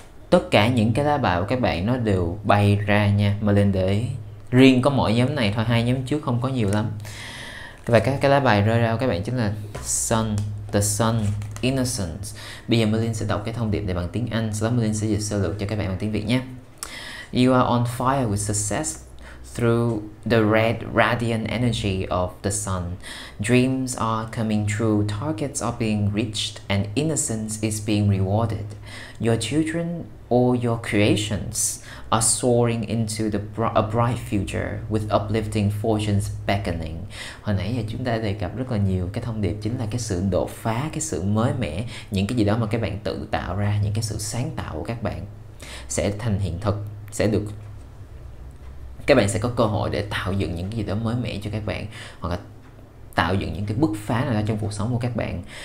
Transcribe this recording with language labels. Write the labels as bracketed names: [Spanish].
[Vietnamese] Tất cả những cái lá bài của các bạn nó đều bay ra nha, mà lên để ý. Riêng có mỗi nhóm này thôi, hai nhóm trước không có nhiều lắm. Và cái lá bài rơi ra của các bạn chính là Sun, the Sun, Innocence. Bây giờ Merlin sẽ đọc cái thông điệp này bằng tiếng Anh, sau đó Merlin sẽ dịch sơ lược cho các bạn bằng tiếng Việt nhé. [English] You are on fire with success. Through the red radiant energy of the sun, dreams are coming true, targets are being reached, and innocence is being rewarded. Your children or your creations are soaring into a bright future with uplifting fortunes beckoning. [Vietnamese] Hồi nãy giờ chúng ta đề cập rất là nhiều cái thông điệp chính là cái sự đột phá, cái sự mới mẻ, những cái gì đó mà các bạn tự tạo ra, những cái sự sáng tạo của các bạn sẽ thành hiện thực, sẽ được các bạn sẽ có cơ hội để tạo dựng những cái gì đó mới mẻ cho các bạn, hoặc là tạo dựng những cái bứt phá nào đó trong cuộc sống của các bạn.